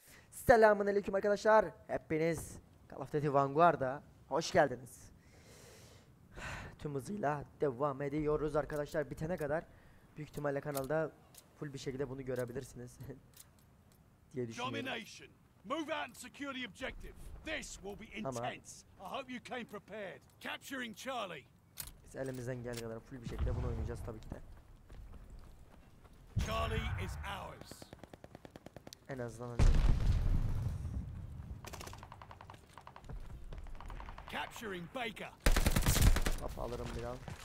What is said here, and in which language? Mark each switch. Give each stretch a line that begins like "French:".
Turkish: Selamun aleyküm arkadaşlar. Hepiniz Call of Duty Vanguard'a hoş geldiniz. Tüm hızıyla devam ediyoruz arkadaşlar. Bitene kadar büyük ihtimalle kanalda full bir şekilde bunu görebilirsiniz diye düşünüyorum.
English: Domination. Move out and secure the objective. This will be intense. I hope you came prepared. Capturing Charlie.
Turkish: Biz elimizden geldiği kadar full bir şekilde bunu oynayacağız tabii ki de.
English: Charlie is ours.
Turkish: En azından önce.
English: Capturing Baker.
Turkish: Kafa alırım bir an.